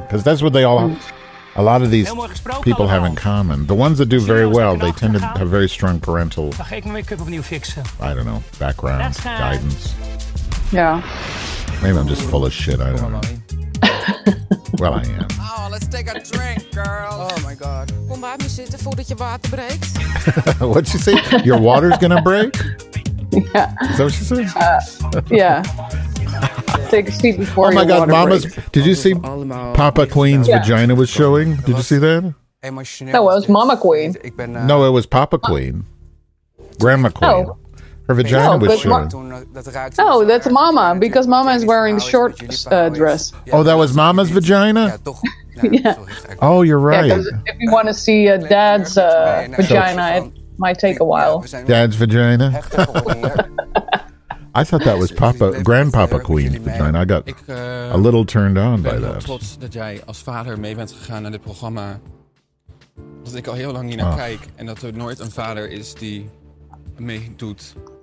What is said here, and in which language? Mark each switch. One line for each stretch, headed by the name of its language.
English: Because that's what they all, a lot of these people have in common. The ones that do very well, they tend to have very strong parental, I don't know, background, guidance. Yeah. Maybe I'm just full of shit, I don't know. Well, I am. Oh, let's take a drink, girl. Oh, my God.
Dutch: Kom bij me zitten voordat je water breekt.
English: What'd she say? Your water's gonna break? Yeah. Is that what she said? Yeah. Take a seat before Oh, my God, Mama's... Breaks. Did you see Papa Queen's vagina was showing? Did you see that? No, it was Mama Queen. No, it was Papa Queen. Grandma Queen. Oh. Her vagina was showing. No, that's Mama, because Mama is wearing the short dress. Oh, that was Mama's vagina? Yeah. Oh, you're right. Yeah, if you want to see Dad's vagina, it might take a while. Dad's vagina? I thought that was Papa, Grandpapa Queen's vagina. I got a little turned on by that. I'm
Dutch: trots dat jij als vader mee bent gegaan naar dit programma. Dat ik al heel lang hier naar kijk. En dat er nooit een vader is die mee doet.